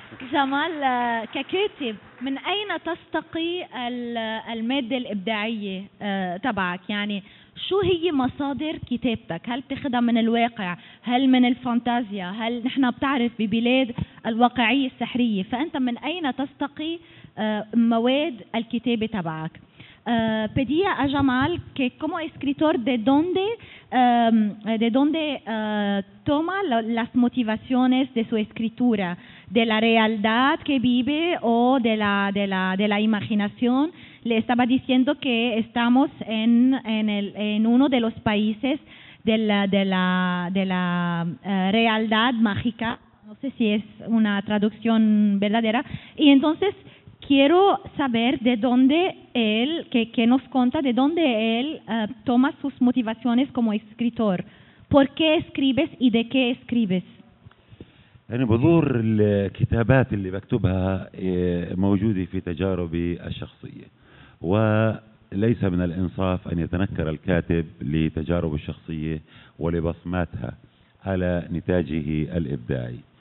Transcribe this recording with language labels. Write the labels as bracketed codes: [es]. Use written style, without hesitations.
[ar] Jamal, ككاتب من أين تستقي المادة الإبداعية تبعك؟ يعني شو هي مصادر كتابتك؟ هل بتخدم من الواقع؟ هل من الفانتازيا؟ هل نحن بتعرف ببلاد الواقعية السحرية؟ فأنت من أين تستقي مواد الكتابة تبعك؟ [es] Pedía a Jamal que como escritor toma las motivaciones de su escritura, de la realidad que vive o de la imaginación. Le estaba diciendo que estamos en uno de los países de la realidad mágica. No sé si es una traducción verdadera. Y entonces quiero saber de dónde él, que nos cuenta de dónde él toma sus motivaciones como escritor. ¿Por qué escribes y de qué escribes? [ar] يعني بذور الكتابات اللي بكتبها موجودة في تجاربي الشخصية، وليس من الإنصاف أن يتنكر الكاتب لتجاربه الشخصية ولبصماتها على نتاجه الإبداعي.